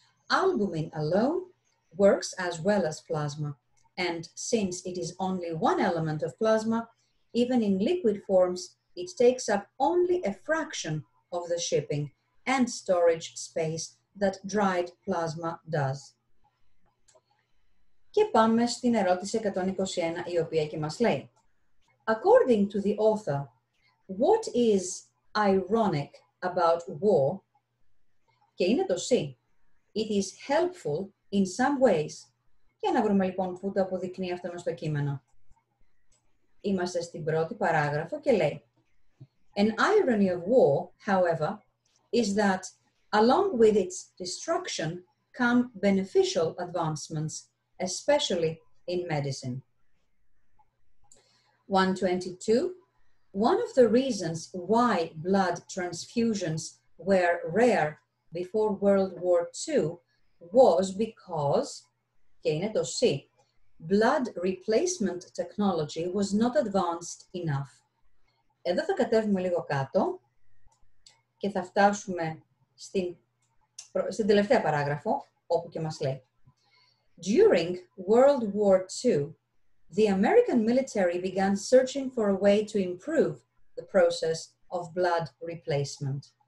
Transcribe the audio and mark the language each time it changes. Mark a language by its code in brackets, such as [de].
[en] Albumin alone works as well as plasma, and since it is only one element of plasma, even in liquid forms, it takes up only a fraction of the shipping and storage space that dried plasma does. [el] Και πάμε στην ερώτηση 121, η οποία και μας λέει. [en] According to the author, what is ironic about war? [el] Και είναι το C. [en] It is helpful in some ways. [el] Για να βρούμε λοιπόν πού το αποδεικνύει αυτό μας το κείμενο. Είμαστε στην πρώτη παράγραφο και λέει. [en] An irony of war, however, is that along with its destruction come beneficial advancements, especially in medicine. 122. One of the reasons why blood transfusions were rare before World War II was because, blood replacement technology was not advanced enough. [el] Εδώ θα κατέβουμε λίγο κάτω και θα φτάσουμε στην τελευταία παράγραφο, όπου και μας λέει. [en] During World War II, the American military began searching for a way to improve the process of blood replacement.